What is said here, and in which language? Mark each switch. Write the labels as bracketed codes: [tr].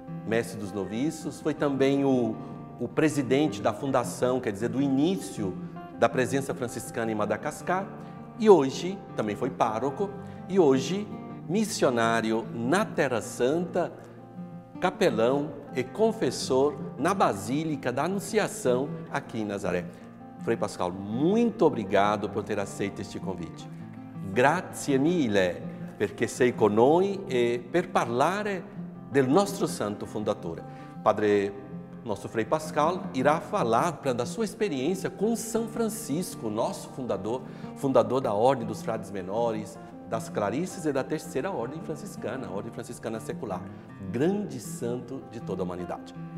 [pt] Mestre dos noviços, foi também o presidente da fundação, quer dizer, do início da presença franciscana em Madagascar, e hoje também foi pároco, e hoje missionário na Terra Santa, capelão e confessor na Basílica da Anunciação aqui em Nazaré. Frei Pascal, muito obrigado por ter aceito este convite. [it] Grazie mille, perché sei con noi e per parlare del nostro santo fundatore. [pt] Padre, nosso Frei Pascal irá falar da sua experiência com São Francisco, nosso fundador, fundador da Ordem dos Frades Menores, das Clarices e da Terceira Ordem Franciscana, a Ordem Franciscana Secular, grande santo de toda a humanidade.